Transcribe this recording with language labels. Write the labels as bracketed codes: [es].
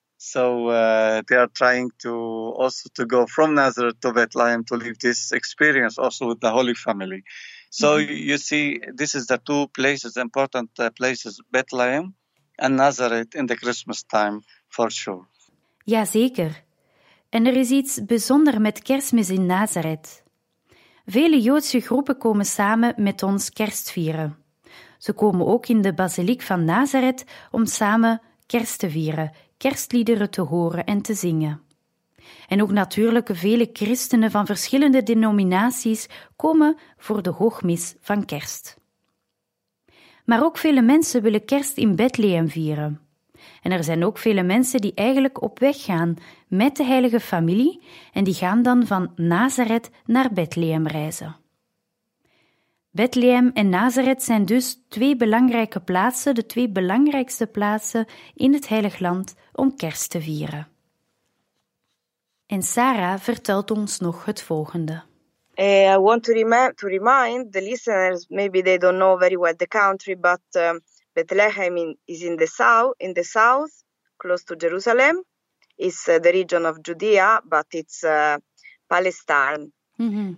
[en] So they are trying to also to go from Nazareth to Bethlehem to live this experience also with the Holy Family. So you see, this is the two places, important places, Bethlehem and Nazareth in the Christmas time, for sure. [nl] Ja, zeker. En er is iets bijzonders met Kerstmis in Nazareth. Vele Joodse groepen komen samen met ons kerst vieren. Ze komen ook in de basiliek van Nazareth om samen kerst te vieren, kerstliederen te horen en te zingen. En ook natuurlijk vele christenen van verschillende denominaties komen voor de hoogmis van kerst. Maar ook vele mensen willen kerst in Bethlehem vieren. En er zijn ook vele mensen die eigenlijk op weg gaan met de Heilige Familie en die gaan dan van Nazareth naar Bethlehem reizen. Bethlehem en Nazareth zijn dus twee belangrijke plaatsen, de twee belangrijkste plaatsen in het Heilig Land om kerst te vieren. En Sarah vertelt ons nog het volgende. [en] I want to remind the listeners, maybe they don't know very well the country, but Bethlehem is in the south, close to Jerusalem. It's the region of Judea, but it's Palestine. Mm-hmm.